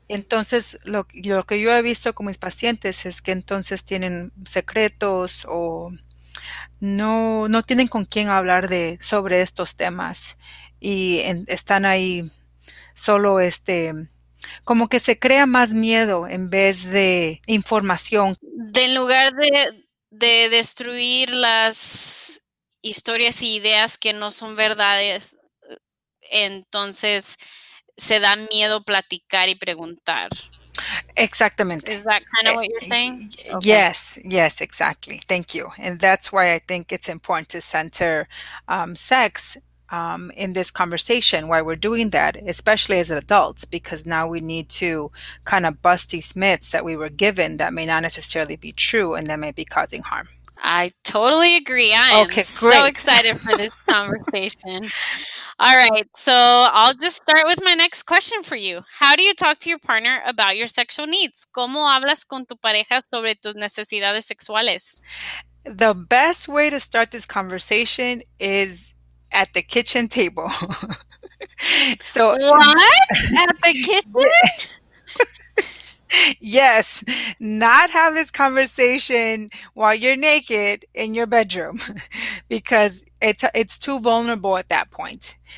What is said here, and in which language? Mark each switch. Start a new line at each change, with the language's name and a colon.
Spanish: Entonces, lo que yo he visto con mis pacientes es que entonces tienen secretos o no tienen con quién hablar sobre estos temas y están ahí solo como que se crea más miedo en vez de información. En lugar de destruir las historias y ideas que no son verdades, entonces se da miedo platicar y preguntar. Exactamente.
English: Is that kind of what you're saying? Okay. Yes, yes, exactly. Thank you. And that's why I think it's important to center sex in this conversation, why we're doing that, especially as adults, because now we need to kind of bust these myths that we were given that may not necessarily be true and that may be causing harm. I totally agree. I am so excited for this conversation. All right. So I'll just start with my next question for you. How do you talk to your partner about your sexual needs?
Spanish: ¿Cómo hablas con tu pareja sobre tus necesidades sexuales?
English: The best way to start this conversation is at the kitchen table. So what? At the kitchen? Yes, not have this conversation while you're naked in your bedroom, because it's too vulnerable at that point.